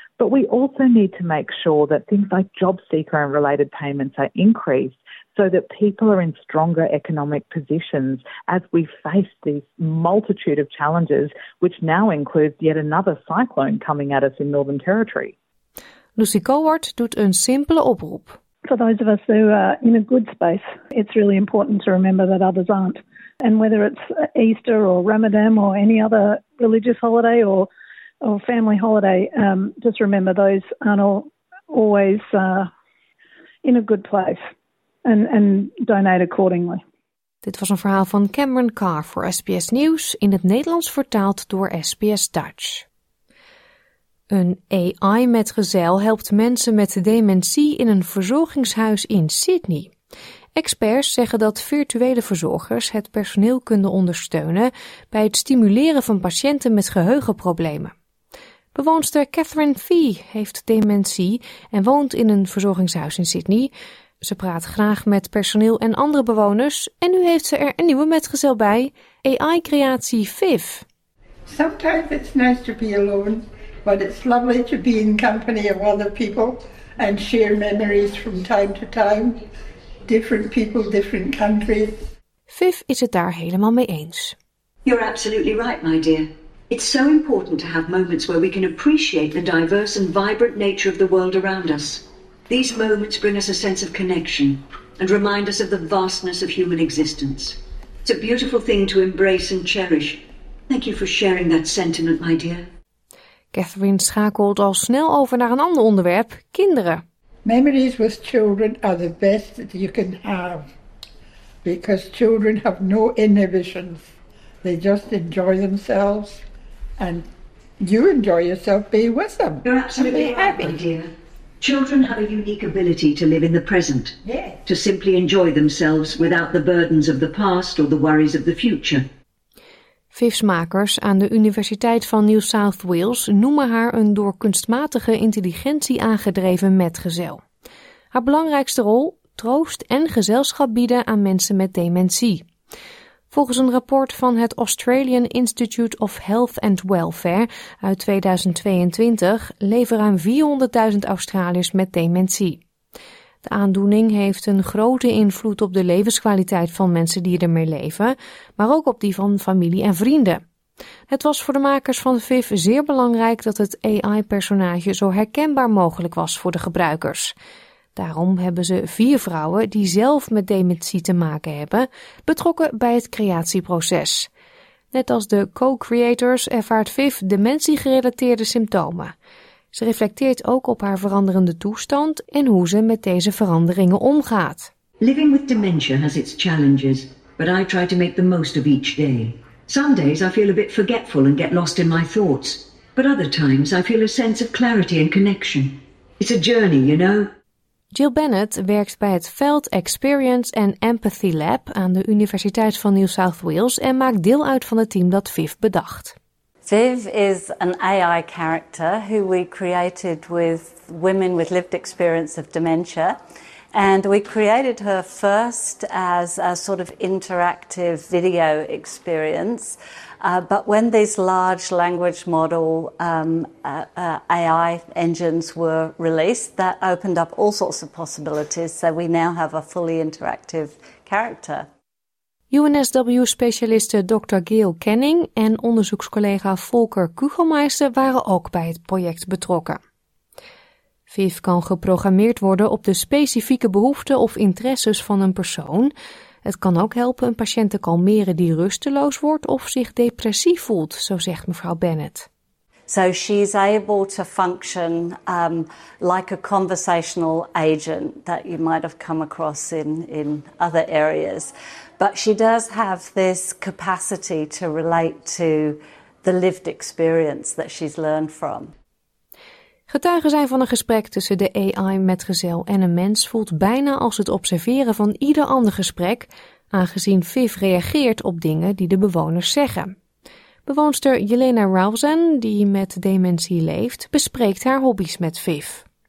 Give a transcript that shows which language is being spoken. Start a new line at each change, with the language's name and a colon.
English: But we also need to make sure that things like job seeker and related payments are increased so that people are in stronger economic positions as we face this multitude of challenges, which now includes yet another cyclone coming at us in Northern Territory.
Dutch: Lucy Coward doet een simpele oproep.
English: for those of us who are in a good space, it's really important to remember that others aren't. And whether it's Easter or Ramadan or any other religious holiday or family holiday, just remember those aren't always in a good place and donate accordingly.
Dutch: Dit was een verhaal van Cameron Carr voor SBS Nieuws, in het Nederlands vertaald door SBS Dutch. Een AI-metgezel helpt mensen met dementie in een verzorgingshuis in Sydney. Experts zeggen dat virtuele verzorgers het personeel kunnen ondersteunen bij het stimuleren van patiënten met geheugenproblemen. Bewoonster Catherine Fee heeft dementie en woont in een verzorgingshuis in Sydney. Ze praat graag met personeel en andere bewoners en nu heeft ze er een nieuwe metgezel bij, AI-creatie Viv.
English: Sometimes it's nice to be alone, but it's lovely to be in company of other people and share memories from time to time. Different people, different countries.
Dutch: Viv is het daar helemaal mee eens.
English: You're absolutely right, my dear. It's so important to have moments where we can appreciate the diverse and vibrant nature of the world around us. These moments bring us a sense of connection and remind us of the vastness of human existence. It's a beautiful thing to embrace and cherish. Thank you for sharing that sentiment, my dear.
Dutch: Catherine schakelt al snel over naar een ander onderwerp, kinderen.
English: Memories with children are the best that you can have. Because children have no inhibitions. They just enjoy themselves. And you enjoy yourself being with them. You're absolutely happy, my dear. Children have a unique ability to live in the present, yes. To simply enjoy themselves without the burdens of the past or the worries of the future.
Dutch: Viv's makers aan de Universiteit van New South Wales noemen haar een door kunstmatige intelligentie aangedreven metgezel. Haar belangrijkste rol: troost en gezelschap bieden aan mensen met dementie. Volgens een rapport van het Australian Institute of Health and Welfare uit 2022 leven ruim 400.000 Australiërs met dementie. De aandoening heeft een grote invloed op de levenskwaliteit van mensen die ermee leven, maar ook op die van familie en vrienden. Het was voor de makers van Viv zeer belangrijk dat het AI-personage zo herkenbaar mogelijk was voor de gebruikers. Daarom hebben ze 4 vrouwen die zelf met dementie te maken hebben, betrokken bij het creatieproces. Net als de co-creators ervaart Viv dementiegerelateerde symptomen. Ze reflecteert ook op haar veranderende toestand en hoe ze met deze veranderingen omgaat.
English: Living with dementia has its challenges, but I try to make the most of each day. Some days I feel a bit forgetful and get lost in my thoughts, but other times I feel a sense of clarity and connection. It's a journey, you know?
Dutch: Jill Bennett werkt bij het Veld Experience and Empathy Lab aan de Universiteit van New South Wales en maakt deel uit van het team dat Viv bedacht.
English: Viv is an AI character who we created with women with lived experience of dementia. And we created her first as a sort of interactive video experience. But when these large language model AI engines were released, that opened up all sorts of possibilities. So we now have a fully interactive character.
Dutch: UNSW-specialiste Dr. Gail Kenning en onderzoekscollega Volker Kugelmeister waren ook bij het project betrokken. Viv kan geprogrammeerd worden op de specifieke behoeften of interesses van een persoon. Het kan ook helpen een patiënt te kalmeren die rusteloos wordt of zich depressief voelt, zo zegt mevrouw Bennett.
English: So she's able to function like a conversational agent that you might have come across in other areas. But she does have this capacity to relate to the lived experience that she's learned from.
Dutch: Getuigen zijn van een gesprek tussen de AI-metgezel en een mens voelt bijna als het observeren van ieder ander gesprek, aangezien Viv reageert op dingen die de bewoners zeggen. Bewoonster Yelena Rausen, die met dementie leeft, bespreekt haar hobby's met Viv.